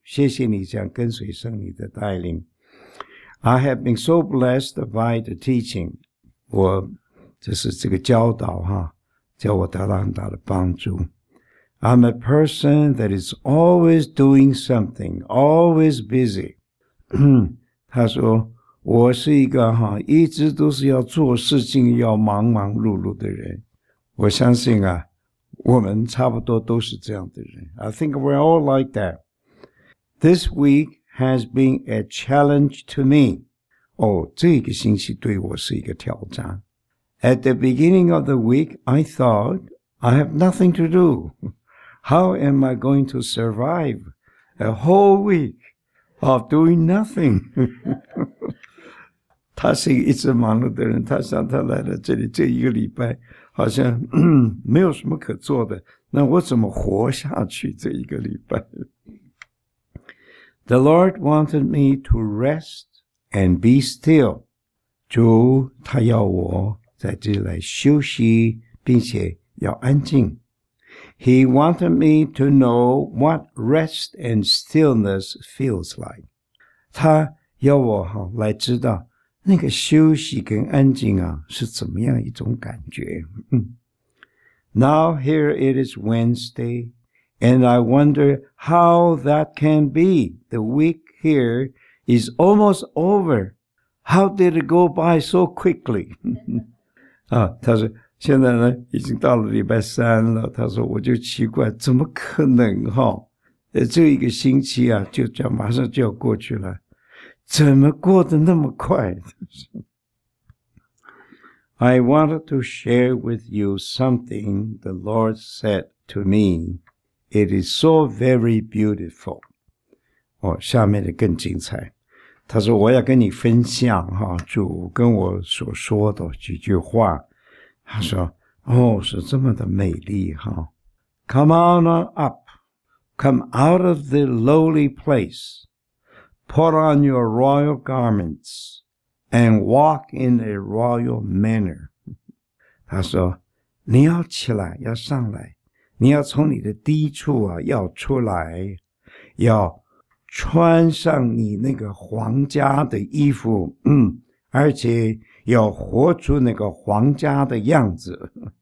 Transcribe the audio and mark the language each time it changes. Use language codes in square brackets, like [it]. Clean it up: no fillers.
[zh] 谢谢你这样跟随圣灵的带领。 [en] I have been so blessed by the teaching. [zh] 我这是这个教导哈，叫我得到很大的帮助。 [en] I'm a person that is always doing something, always busy. [zh] 他说，我是一个哈，一直都是要做事情，要忙忙碌碌的人。我相信啊，我们差不多都是这样的人。 [en] I think we're all like that. This week has been a challenge to me. [zh] 哦，这个星期对我是一个挑战。 [en] At the beginning of the week, I thought, I have nothing to do. How am I going to survive a whole week of doing nothing? [zh] 他是一直忙碌的人，他想他来了这里这一个礼拜好像没有什么可做的，那我怎么活下去这一个礼拜？ [en] The Lord wanted me to rest and be still. [zh] 主他要我在这里来休息并且要安静。 [en] He wanted me to know what rest and stillness feels like. [zh] 他要我来知道那个休息跟安静啊是怎么样一种感觉。 [en] Now here it is Wednesday, and I wonder how that can be. The week here is almost over. How did it go by so quickly? [zh] 啊，他说现在呢已经到了礼拜三了，他说我就奇怪怎么可能哈，这一个星期啊就这样马上就要过去了。怎么过得那么快？ [en] I wanted to share with you something the Lord said to me. It is so very beautiful. [zh] 哦，下面的更精彩。他说我要跟你分享哈，主跟我所说的几句话。他说哦，是这么的美丽哈。 [en] Come on up. Come out of the lowly place. Put on your royal garments and walk in a royal manner. [zh] 他说你要起来要上来，你要从你的低处啊要出来，要穿上你那个皇家的衣服，而且要活出那个皇家的样子。